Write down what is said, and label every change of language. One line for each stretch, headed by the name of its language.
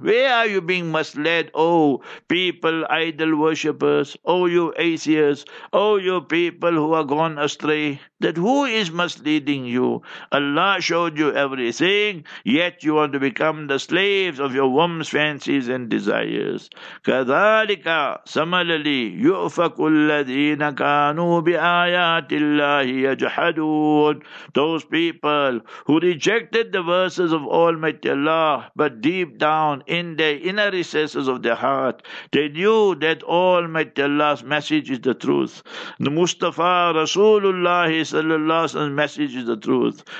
English: Where are you being misled, oh people, idol worshippers, oh you atheists, oh you people who are gone astray? That who is misleading you? Allah showed you everything, yet you want to become the slaves of your womb's fancies and desires.
Arabic: كَذَلِكَ. Similarly, يُؤْفَكُ الَّذِينَ كَانُوا بِآيَاتِ اللَّهِ يَجْحَدُونَ.
English: Those people who rejected the verses of Almighty Allah, but deep down in their inner recesses of their heart, they knew that Almighty Allah's message is the truth. The Mustafa Rasulullah sallallahu alaihi wasallam's message is the truth.